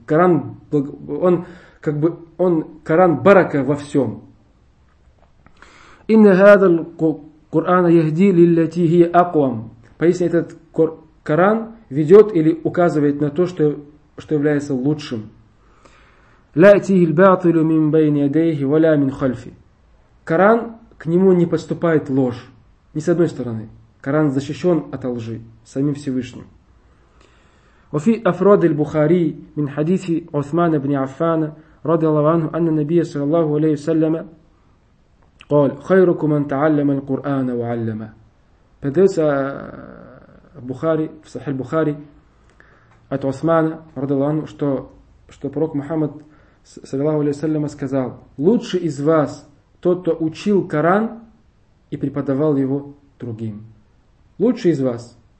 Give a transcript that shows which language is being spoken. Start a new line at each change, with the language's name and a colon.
Russian: Коран, он... как бы он Коран барака во всем.
Arabic: Инна хаза аль-Курана яхди лиллати хия акум.
Russian: Поистине этот Коран ведет или указывает на то, что является лучшим.
Arabic: لا تيه الباطل من بين يديه ولا من خلفه.
Russian: Коран к нему не подступает ложь. Ни с одной стороны. Коран защищен от лжи самим Всевышним.
Arabic: وفي أفراد البخاري من حديث عثمان بن عفان رضي الله عنه أن النبي صلى الله عليه وسلم قال خيركم من تعلم القرآن وعلمه.
Russian: Передается Бухари, в Сахих Бухари от Усмана رضي الله عنه, что пророк Мухаммад саллаллаху алейхи ва саллям сказал: лучше из вас тот, кто учил Коран и преподавал его другим. Лучше из вас.